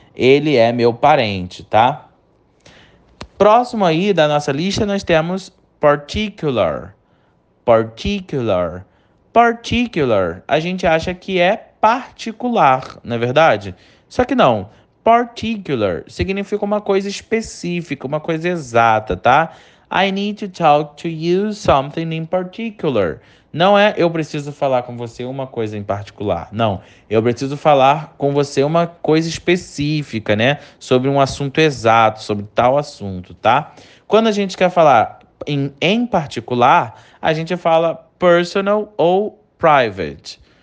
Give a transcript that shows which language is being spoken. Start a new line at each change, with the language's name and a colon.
Portuguese: Ele é meu parente, tá? Próximo aí da nossa lista, nós temos particular. Particular. Particular. A gente acha que é particular, não é verdade? Só que não. Particular significa uma coisa específica, uma coisa exata, tá?
English: I need to talk to you something in particular.
Portuguese: Não é eu preciso falar com você uma coisa em particular. Não, eu preciso falar com você uma coisa específica, né? Sobre um assunto exato, sobre tal assunto, tá? Quando a gente quer falar em particular, a gente fala personal ou private.